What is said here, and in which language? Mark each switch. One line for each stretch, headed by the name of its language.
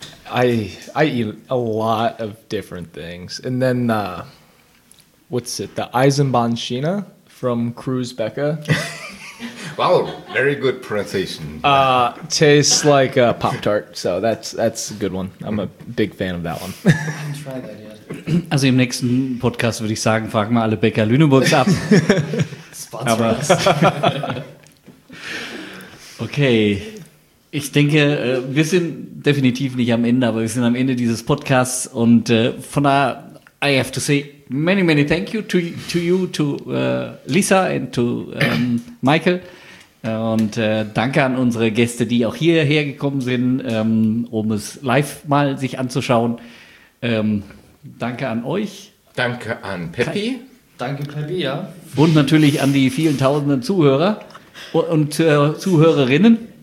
English: I eat a lot of different things. And then, the Eisenbahn Schiene from Cruz Becca. Wow, very good pronunciation. Tastes like a Pop-Tart, so that's a good one. I'm a big fan of that one.
German: Also im nächsten Podcast würde ich sagen, fragen wir alle Bäcker Lüneburgs ab. Sponsor. Okay, ich denke, wir sind definitiv nicht am Ende, aber wir sind am Ende dieses Podcasts. Und von daher,
English: I have to say many, many thank you to you, to Lisa and to Michael.
German: Und danke an unsere Gäste, die auch hierher gekommen sind, um es live mal sich anzuschauen. Danke an euch. Danke an Peppi. Danke Peppi, ja. Und natürlich an die vielen tausenden Zuhörer und Zuhörerinnen.